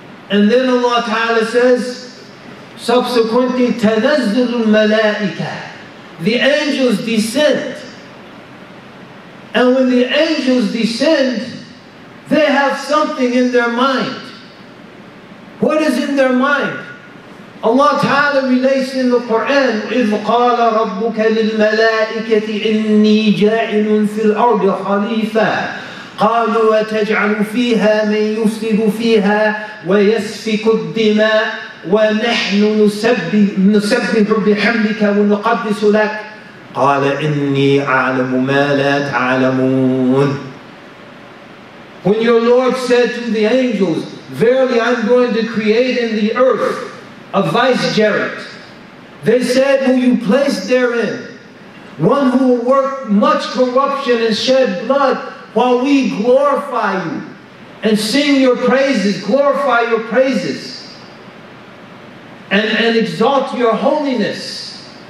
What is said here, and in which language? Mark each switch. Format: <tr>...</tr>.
<en>And then Allah ta'ala says, subsequently,</en> <ar>تَنَزِّلُ الْمَلَائِكَ.</ar> <en>The angels descend. And when the angels descend, they have something in their mind. What is in their mind? Allah Ta'ala relates in the Quran,</en> <ar>إِذْ قَالَ رَبُّكَ لِلْمَلَائِكَةِ إِنِّي جَاعِلٌ فِي الْأَرْضِ خَلِيفَةً قَالُوا وَتَجْعَلُ فِيهَا مَنْ يُفْسِدُ فِيهَا وَيَسْفِكُ الدِّمَاءَ وَنَحْنُ نُسَبِّحُ بِحَمْدِكَ وَنُقَدِّسُ لَكَ قَالَ إِنِّي أَعْلَمُ مَا لَا تَعْلَمُونَ.</ar> <en>When your Lord said to the angels, verily I'm going to create in the earth a vicegerent, they said, will you place therein One who worked much corruption and shed blood while we glorify you and sing your praises, glorify your praises and exalt your holiness.</en>